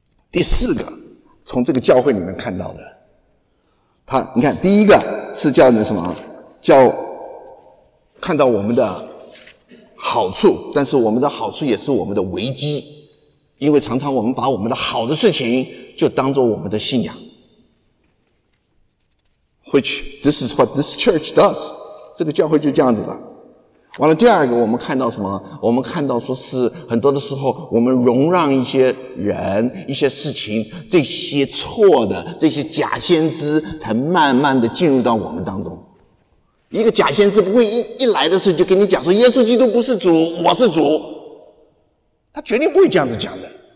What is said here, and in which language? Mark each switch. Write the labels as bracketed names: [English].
[Chinese] 第四个从这个教会里面看到的，他你看第一个是叫你什么叫看到我们的好处，但是我们的好处也是我们的危机，因为常常我们把我们的好的事情就当作我们的信仰。 [English] Which this is what this church does， [Chinese] 这个教会就这样子的。完了第二个我们看到什么？我们看到说是很多的时候我们容让一些人一些事情这些错的这些假先知才慢慢的进入到我们当中。一个假先知不会一来的时候就跟你讲说耶稣基督不是主，我是主，他绝对不会这样子讲的。